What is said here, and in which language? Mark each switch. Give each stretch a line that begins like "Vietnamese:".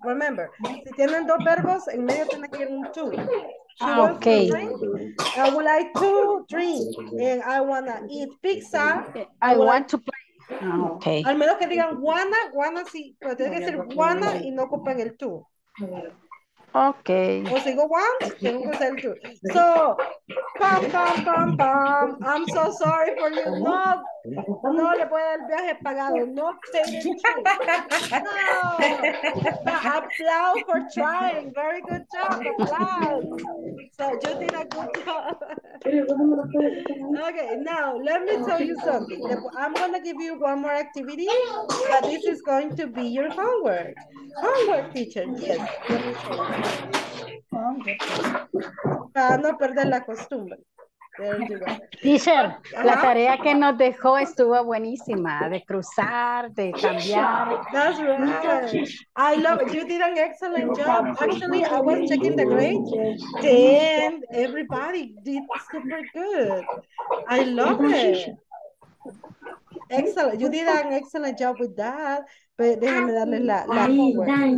Spanish: Remember, si tienen dos verbos, en medio tiene que ir un two.
English: Okay. I would like to drink and I want to eat pizza. I want to play. Okay.
Spanish: Al menos que digan wanna, wanna sí, pero tiene que ser wanna y no ocupen el tú.
English: Okay.
Spanish: O si digo want, tengo que usar el tú. So, pam, pam, pam, pam.
English: I'm so sorry for you.
Spanish: No, no le puede dar el viaje pagado.
English: No, thank you. No. Applaud for trying. Very good job. Applaud. So, you did a good job. Okay, now, let me tell you something. I'm going to give you one more activity, but this is going to be your homework. Homework, teacher. Yes.
Spanish: Para no perder la costumbre. Teacher, la tarea que nos dejó estuvo buenísima, de cruzar, de cambiar.
English: That's right. I love it. You did an excellent job. Actually, I was checking the grade and everybody did super good. I love it. Excellent. You did an excellent job with that.
Spanish: Pero déjame darle la
English: homework.